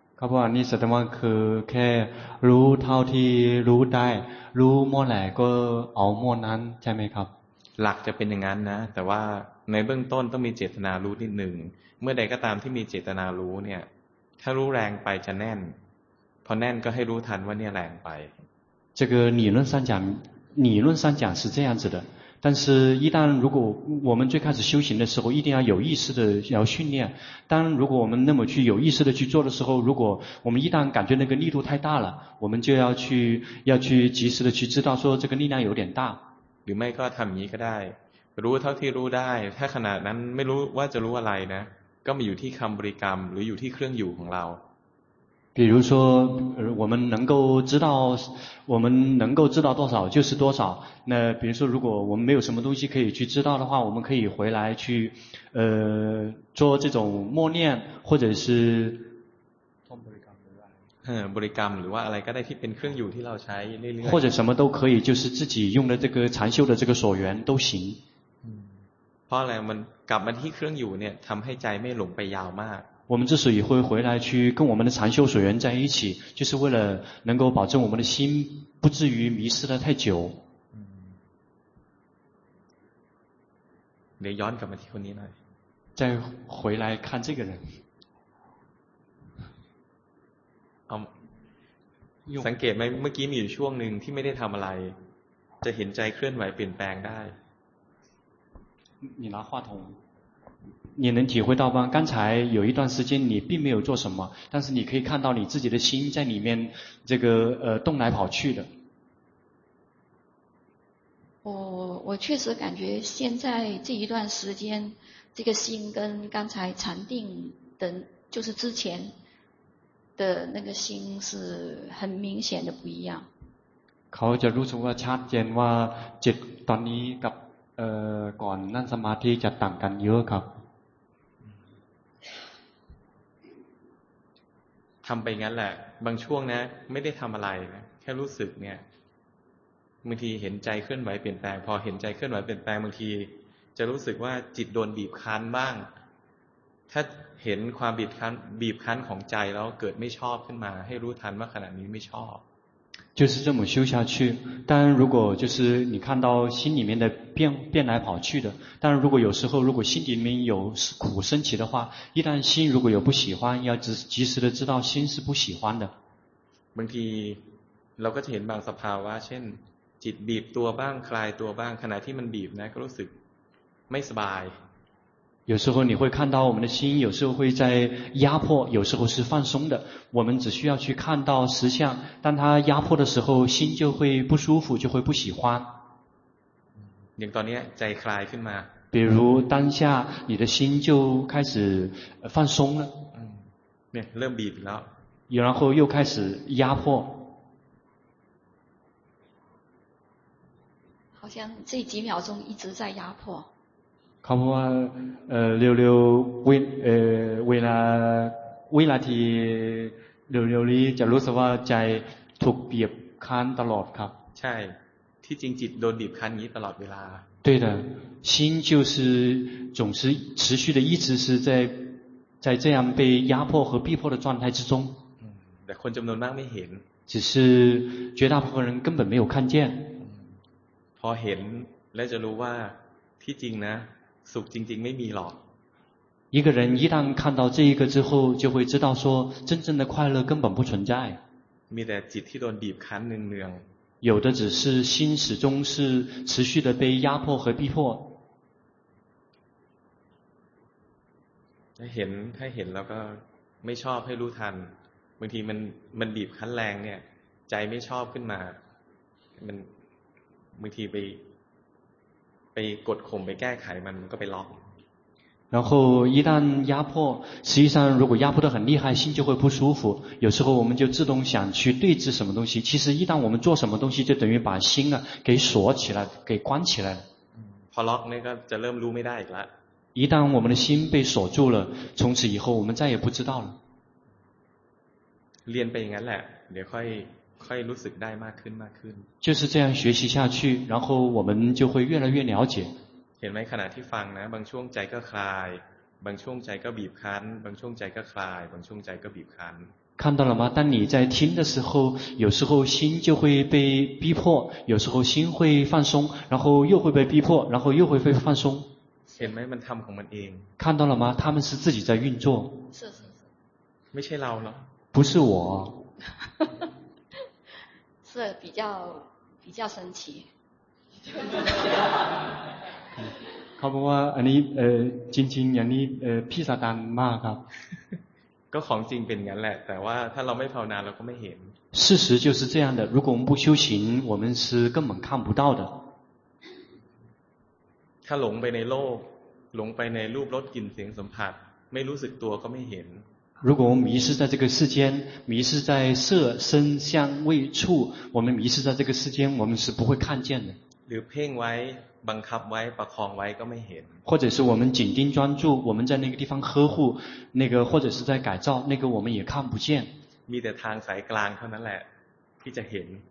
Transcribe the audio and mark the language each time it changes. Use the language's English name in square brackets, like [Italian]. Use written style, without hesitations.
[Thai] ครับผมนี่แสดงว่าคือแค่รู้เท่าที่รู้ได้รู้เมื่อไหร่ก็เอาเมื่อนั้นใช่ไหมครับ หลักจะเป็นอย่างนั้นนะแต่ว่าในเบื้องต้นต้องมีเจตนารู้นิดหนึ่งเมื่อใดก็ตามที่มีเจตนารู้เนี่ยถ้ารู้แรงไปจะแน่นพอแน่นก็ให้รู้ทันว่าเนี่ยแรงไป [Chinese] 这个理论上讲是这样子的但是一旦如果我们最开始修行的时候一定要有意识的要训练当如果我们那么去有意识的去做的时候如果我们一旦感觉那个力度太大了我们就要去及时的去知道说这个力量有点大 [Thai] หรือไม่ก็ทำนี้ก็ได้รู้เท่าที่รู้ได้ถ้าขณะนั้นไม่รู้ว่าจะรู้อะไรนะก็มาอยู่ที่คำบริกรรมหรืออยู่ที่เครื่องอยู่ของเรา [Chinese] 比如说我们能够知道多少就是多少那比如说如果我们没有什么东西可以去知道的话我们可以回来去做这种默念或者是或者什么都可以就是自己用的这个禅修的这个所缘都行 [Thai] เพราะอะไรมันกลับมาที่เครื่องอยู่เนี่ยทำให้ใจไม่หลงไปยาวมาก เราจะสื่อให้ [Chinese] 回来去跟我们的禅修所缘在一起就是为了能够保证我们的心不至于迷失了太久 [Thai] เดี๋ยวย้อนกลับมาที่คนนี้หน่อย [Chinese] 再回来看这个人 [Thai] สังเกตไหมเมื่อกี้มีอยู่ช่วงนึงที่ไม่ได้ทำอะไรจะเห็นใจเคลื่อนไหวเปลี่ยนแปลงได้ [Chinese] 你拿话筒你能体会到吗刚才有一段时间你并没有做什么但是你可以看到你自己的心在里面这个动来跑去的我确实感觉现在这一段时间这个心跟刚才禅定的就是之前的那个心是很明显的不一样 [Thai] เขาจะรู้สึกว่าชัดเจนว่าจิตตอนนี้กับก่อนนั่งสมาธิจะต่างกันเยอะครับ ทำไปงั้นแหละบางช่วงนะไม่ได้ทำอะไรนะแค่รู้สึกเนี่ย บางทีเห็นใจเคลื่อนไหวเปลี่ยนแปลงพอเห็นใจเคลื่อนไหวเปลี่ยนแปลงบางทีจะรู้สึกว่าจิตโดนบีบคั้นบ้างถ้าเห็นความบีบคั้นของใจแล้วเกิดไม่ชอบขึ้นมาให้รู้ทันว่าขณะนี้ไม่ชอบ [Chinese] 就是这么修下去，但如果就是你看到心里面的变来跑去的，但如果有时候如果心里面有苦升起的话，一旦心如果有不喜欢，要及时的知道心是不喜欢的。 [Thai] บางทีเราก็จะเห็นบางสภาวะเช่นจิตบีบตัวบ้างคลายตัวบ้างขณะที่มันบีบนะก็รู้สึกไม่สบาย。 [Chinese] 有时候你会看到我们的心有时候会在压迫，有时候是放松的。我们只需要去看到实相，当它压迫的时候，心就会不舒服，就会不喜欢。 [Thai] อย่างตอนนี้ใจคลายขึ้นมา。 [Chinese] 比如当下你的心就开始放松了。 [Thai] เนี่ยเริ่มบีบแล้ว。 [Chinese] 然后又开始压迫。好像这几秒钟一直在压迫。 [Thai] คำว่าเร็วๆเวลาที่เร็วๆนี้จะรู้สึกว่าใจถูกบีบคั้นตลอดครับ ใช่ที่จริงจิตโดนบีบคั้นนี้ตลอดเวลา [Chinese] 对的心就是总是持续的一直是在这样被压迫和逼迫的状态之中 [Thai] แต่คนจำนวนมากไม่เห็น [Chinese] 只是绝大部分人根本没有看见 [Thai] พอเห็นและจะรู้ว่าที่จริงนะสุขจริงๆไม่มีหรอก [Chinese] 一个人一旦看到这一个之后就会知道说真正的快乐根本不存在 [Thai] มีแต่จิตที่โดนบีบคั้นเนือง [Chinese] ๆ有的只是心始终是持续的被压迫和逼迫 [Thai] ถ้าเห็นแล้วก็ไม่ชอบให้รู้ทันบางทีมันบีบคั้นแรงเนี่ยใจไม่ชอบขึ้นมามันบางทีไปกดข่มไปแก้ไขมันก็ไปล็อก [Chinese] 然后一旦压迫实际上如果压迫得很厉害心就会不舒服有时候我们就自动想去对治什么东西其实一旦我们做什么东西就等于把心啊给锁起来给关起来 [Thai] พอล็อกนี่ก็จะเริ่มรู้ไม่ได้อีกละ [Chinese] 一旦我们的心被锁住了从此以后我们再也不知道了 [Thai] เรียนไปอย่างนั้นแหละเดี๋ยวค่อยรู้สึกได้มากขึ้น [Chinese] 就是这样学习下去然后我们就会越来越了解 [Thai] เห็นไหมขณะที่ฟังนะบางช่วงใจก็คลายบางช่วงใจก็บีบคั้นบางช่วงใจก็คลายบางช่วงใจก็บีบคั้น [Chinese] 看到了吗当你在听的时候有时候心就会被逼迫有时候心会放松然后又会被逼迫然后又会被放松 [Thai] เห็นไหมมันทำของมันเอง [Chinese] 看到了吗他们是自己在运作是 [Thai] ไม่ใช่เราเนาะ [Chinese] 不是我是比较神奇。 [Thai] เขาบอกว่าอันนี้จริงๆอย่างนี้พิสดารมากครับ ก็ของจริงเป็นงั้นแหละแต่ว่าถ้าเราไม่ภาวนาเราก็ไม่เห็น [Chinese] 事实就是这样的如果我们不修行我们是根本看不到的 [Thai] ถ้าหลงไปในโลกหลงไปในรูปรสกลิ่นเสียงสัมผัสไม่รู้สึกตัวก็ไม่เห็น [Chinese] 如果我们迷失在这个世间迷失在色声香味触我们迷失在这个世间我们是不会看见的 [Thai] หรือเพ่งไว้บังคับไว้ประคองไว้ก็ไม่เห็น [Chinese] 或者是我们紧盯专注我们在那个地方呵护那个或者是在改造那个我们也看不见 [Thai] มีแต่ทางสายกลางเท่านั้นแหละที่จะเห็น